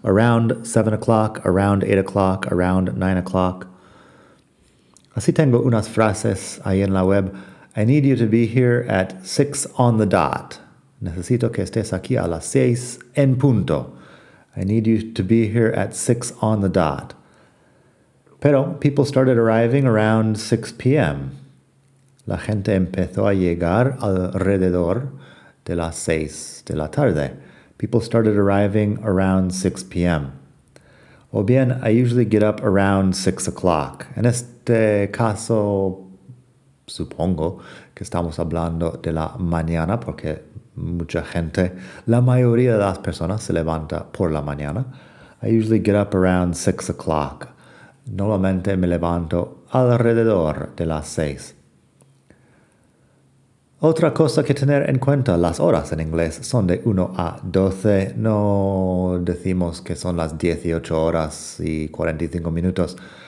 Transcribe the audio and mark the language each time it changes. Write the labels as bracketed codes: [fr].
[en] Around 7 o'clock, around 8 o'clock, around 9 o'clock. [es] Así tengo unas frases ahí en la web. [en] I need you to be here at 6 on the dot. [es] Necesito que estés aquí a las 6 en punto. [en] I need you to be here at 6 on the dot. Pero people started arriving around 6 p.m. [es] La gente empezó a llegar alrededor de las 6 de la tarde. [en] People started arriving around 6 p.m. O bien, I usually get up around 6 o'clock. [es] En este caso, supongo que estamos hablando de la mañana porque mucha gente, la mayoría de las personas se levanta por la mañana. [en] I usually get up around 6 o'clock. [es] Normalmente me levanto alrededor de las 6. Otra cosa que tener en cuenta, las horas en inglés son de 1 a 12. No decimos que son las 18 horas y 45 minutos.